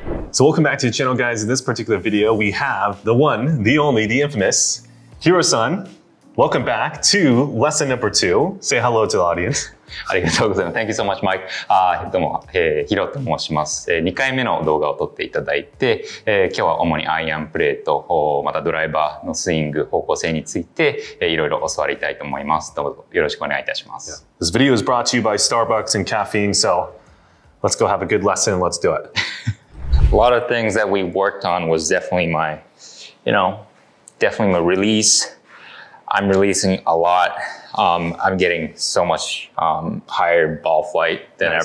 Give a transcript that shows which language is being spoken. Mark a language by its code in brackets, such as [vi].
[en] So welcome back to the channel, guys. In this particular video, we have the one, the only, the infamous Hiro-san. Welcome back to lesson number two. Say hello to the audience. [ja] ありがとうございます。 [en] Thank you so much, Mike. [ja] どうも、ヒロと申します。2回目の動画を撮っていただいて、今日は主にアイアンプレート、またドライバーのスイング方向性について、いろいろ教わりたいと思います。どうぞよろしくお願いいたします。 [en] Yeah. This video is brought to you by Starbucks and caffeine, so let's go have a good lesson. Let's do it. A lot of things that we worked on was definitely my, you know, definitely my release. I'm releasing a lot. I'm getting so much higher ball flight than nice.